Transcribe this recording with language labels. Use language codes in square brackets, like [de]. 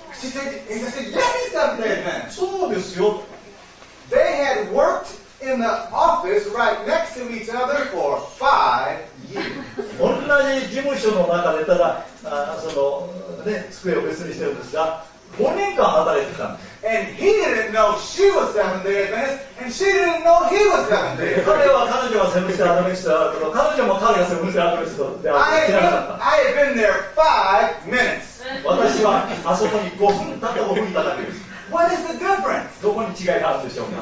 [en] She said, and I said, yeah, he's seven-day event. [ja] そうですよ。 [en] They had worked in the office right next to each other for five. [ja] 同じ事務所の中でただその、ね、机を別にしてるんですが5年間働いてたんです。 [en] And he didn't know she was Seventh-day Adventist, and she didn't know he was Seventh-day Adventist. I had been there 5 minutes. What is the difference?